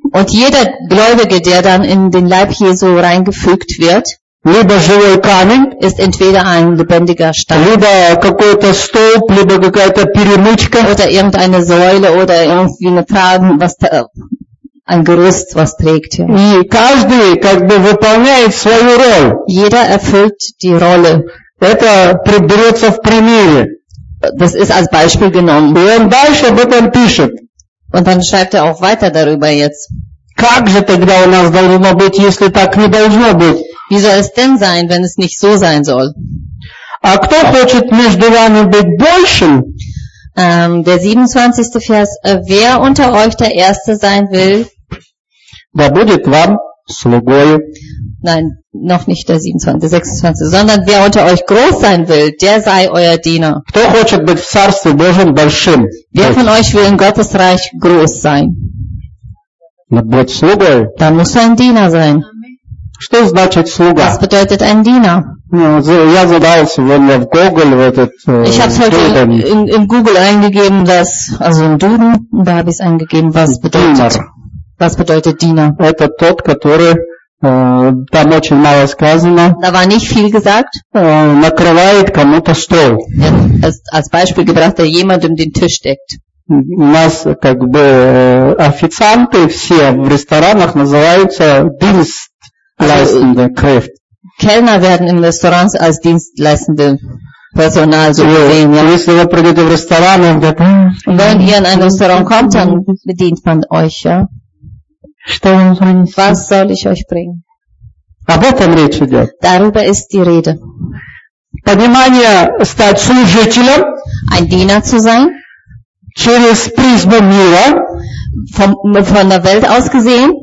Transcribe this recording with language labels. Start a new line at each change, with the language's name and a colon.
German: Und jeder Gläubige, der dann in den Leib Jesu reingefügt wird,
Russian: либо живой камень,
German: ist entweder ein lebendiger Stein,
Russian: либо какой-то столб, либо какая-то перемычка,
German: oder irgendeine Säule, oder irgendwie eine Trage, was da, ein Gerüst, was trägt. Ja.
Russian: И каждый как бы выполняет свою роль.
German: Jeder erfüllt die Rolle.
Russian: Это приберется в примере.
German: Das ist als Beispiel genommen.
Russian: И он дальше об этом пишет.
German: Und dann schreibt auch weiter darüber jetzt.
Russian: Как же тогда у нас должно быть, если так не должно быть?
German: Wie soll es denn sein, wenn es nicht so sein soll?
Russian: А кто хочет между вами быть большим?
German: Der 27. Vers. Wer unter euch der Erste sein will?
Russian: Да будет вам слугою.
German: Nein, noch nicht der 27, 26, sondern wer unter euch groß sein will, der sei euer Diener.
Russian: Кто хочет быть в Царстве Божьем большим?
German: Wer von euch will in Gottes Reich groß sein? Dann muss ein Diener sein.
Russian: Что значит слуга?
German: Was bedeutet ein Diener?
Russian: Я задавал сегодня в Google в этот
German: Ich habe es heute in Google eingegeben, was, also in Duden, da habe ich es eingegeben, was bedeutet. Diener. Was bedeutet Diener?
Russian: Это тот, который там очень мало сказано.
German: Da war nicht viel gesagt.
Russian: Накрывает кому-то стол.
German: Als Beispiel gebracht, der jemandem den Tisch deckt.
Russian: У нас как бы официанты все в ресторанах называются
German: Dienstleistende Kräfte. Kellner werden in Restaurants als dienstleistende Personal so gesehen. Ja.
Russian: Если вы придете в ресторан, он говорит,
German: Wenn ihr in ein Restaurant kommt, dann bedient man euch, ja. Was soll ich euch bringen?
Russian: Об этом речь идет.
German: Darüber ist die Rede.
Russian: Понимание стать служителем.
German: Ein Diener zu sein.
Russian: Через призму мира.
German: Von der Welt aus gesehen.